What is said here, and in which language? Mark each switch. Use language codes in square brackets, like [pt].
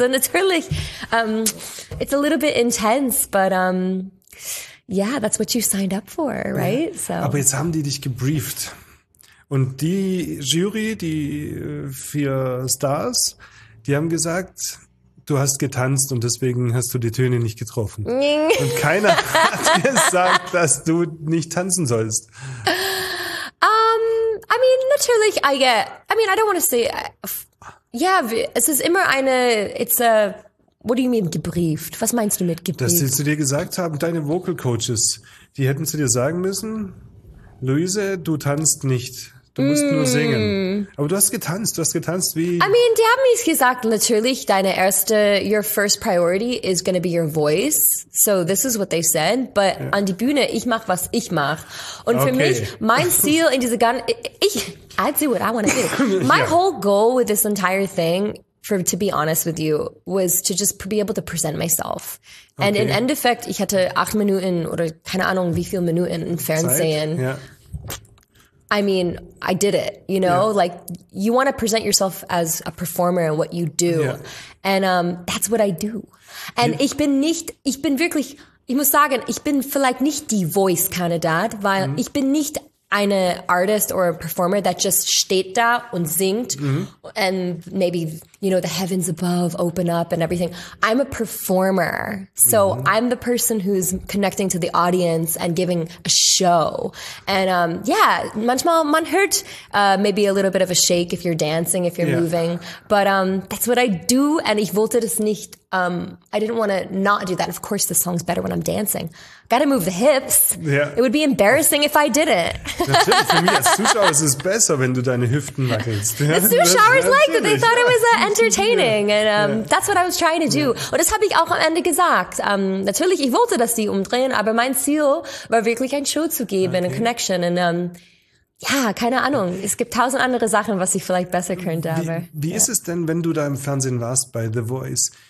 [de] Ja. Und natürlich, [en] it's a little bit intense, but, yeah, that's what you signed up for, right? [de] Ja. So. Aber jetzt haben die dich gebrieft. Und die Jury, die vier Stars, die haben gesagt, du hast getanzt und deswegen hast du die Töne nicht getroffen. Und keiner hat gesagt, dass du nicht tanzen sollst. [en] I mean, natürlich, I don't want to say, [de] es ist immer [en] what do you mean gebrieft? [de] Was meinst du mit gebrieft? Dass sie zu dir gesagt haben, deine Vocal Coaches, die hätten zu dir sagen müssen, Luise, du tanzt nicht. Du musst nur singen. Aber du hast getanzt wie... [en] I mean, [de] die haben mir gesagt, natürlich, [en] your first priority is gonna be your voice. So this is what they said. But [de] an die Bühne, ich mach, was ich mach. Und für mich, mein Ziel in dieser ganzen... [en] I do what I wanna do. My whole goal with this entire thing, to be honest with you, was to just be able to present myself. [de] And in Endeffekt, ich hatte 8 Minuten oder keine Ahnung, wie viele Minuten im Fernsehen. [en] I mean, I did it, you know, like you want to present yourself as a performer and what you do. Yeah. And that's what I do. And [de] ich bin wirklich, ich muss sagen, ich bin vielleicht nicht die Voice-Kandidat, weil ich bin nicht [en] eine Artist or a performer that just [de] steht da und singt, [en] mm-hmm. and maybe, you know, the heavens above open up and everything. I'm a performer. So mm-hmm. I'm the person who's connecting to the audience and giving a show. And yeah, [de] manchmal man hört [en] maybe a little bit of a shake if you're dancing, if you're yeah. moving. But that's what I do. And [de] ich wollte das nicht, [en] I didn't want to not do that. Of course, the song's better when I'm dancing. Gotta move the hips. Yeah. It would be embarrassing if I didn't. [de] Natürlich, für mich als Zuschauer ist es besser, wenn du deine Hüften wackelst. [en] The Zuschauers liked it. They thought it was entertaining. And yeah. that's what I was trying to do. [de] Yeah. Und das habe ich auch am Ende gesagt. Natürlich, ich wollte, dass die umdrehen, aber mein Ziel war wirklich, ein Show zu geben, okay. eine Connection. And ja, keine Ahnung. Es gibt tausend andere Sachen, was ich vielleicht besser könnte. Wie, aber, wie yeah. ist es denn, wenn du da im Fernsehen warst bei The Voice?